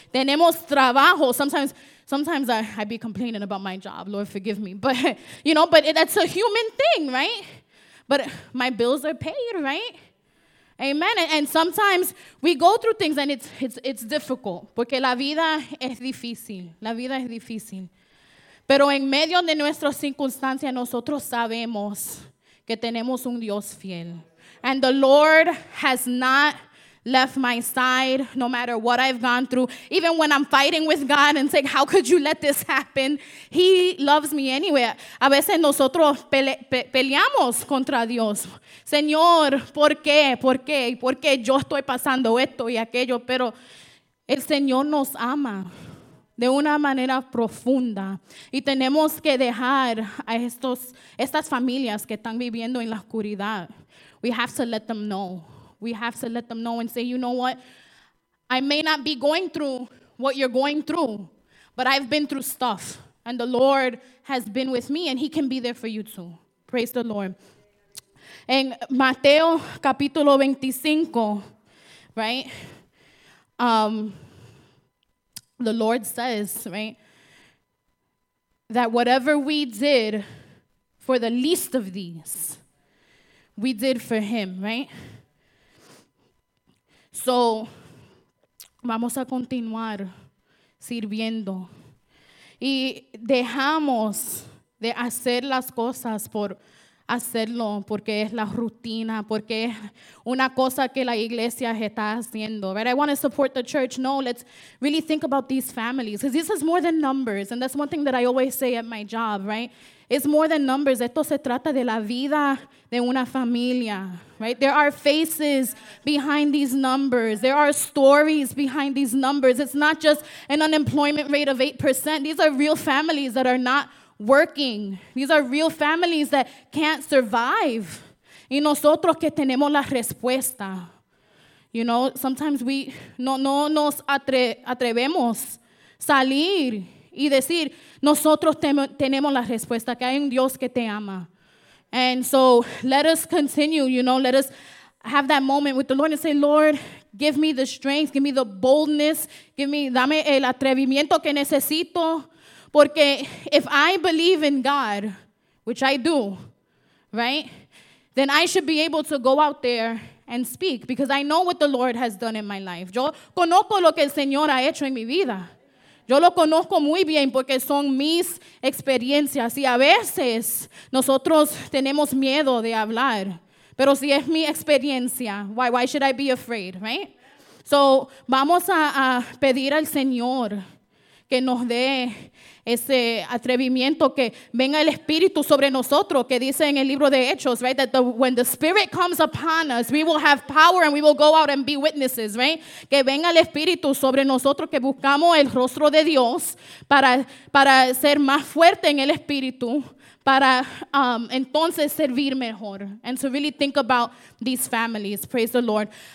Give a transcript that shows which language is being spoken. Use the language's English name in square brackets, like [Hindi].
[Spanish] Tenemos trabajo. [English] Sometimes I be complaining about my job. Lord, forgive me. But, you know, but that's a human thing, right? But my bills are paid, right? Amen. And sometimes we go through things and it's difficult. [Spanish] Porque la vida es difícil. La vida es difícil. Pero en medio de nuestras circunstancias, nosotros sabemos que tenemos un Dios fiel. [English] And the Lord has not left my side, no matter what I've gone through. Even when I'm fighting with God and saying, how could you let this happen? He loves me anyway. [Spanish] A veces nosotros peleamos contra Dios. Señor, ¿por qué? ¿Por qué? ¿Por qué yo estoy pasando esto y aquello? Pero el Señor nos ama de una manera profunda. Y tenemos que dejar a estas familias que están viviendo en la oscuridad. [English] We have to let them know. We have to let them know and say, you know what? I may not be going through what you're going through, but I've been through stuff. And the Lord has been with me, and he can be there for you too. Praise the Lord. [Spanish] En Mateo capítulo 25, right? [English] The Lord says, right, that whatever we did for the least of these, we did for him, right? [Spanish] So, vamos a continuar sirviendo. Y dejamos de hacer las cosas por hacerlo, porque es la rutina, porque es una cosa que la iglesia está haciendo. [English] Right? I want to support the church. No, let's really think about these families. Because this is more than numbers. And that's one thing that I always say at my job, right? It's more than numbers. [Spanish] Esto se trata de la vida de una familia, right? [English] There are faces behind these numbers. There are stories behind these numbers. It's not just an unemployment rate of 8%. These are real families that are not working. These are real families that can't survive. [Spanish] Y nosotros que tenemos la respuesta. [English] You know, sometimes we [Spanish] no nos atrevemos salir y decir, nosotros tenemos la respuesta, que hay un Dios que te ama. [English] And so let us continue, you know, let us have that moment with the Lord and say, Lord, give me the strength, give me the boldness, [Spanish] dame el atrevimiento que necesito. [English] Porque if I believe in God, which I do, right, then I should be able to go out there and speak because I know what the Lord has done in my life. [Spanish] Yo conozco lo que el Señor ha hecho en mi vida. Yo lo conozco muy bien porque son mis experiencias. Y a veces nosotros tenemos miedo de hablar. Pero si es mi experiencia, [English] why should I be afraid, right? [Spanish] So vamos a pedir al Señor que nos dé ese atrevimiento, que venga el Espíritu sobre nosotros, que dice en el libro de Hechos, right, [English] that when the Spirit comes upon us, we will have power and we will go out and be witnesses, right? [Spanish] Que venga el Espíritu sobre nosotros, que buscamos el rostro de Dios para ser más fuerte en el Espíritu, para entonces servir mejor. [English] And to really think about these families, praise the Lord.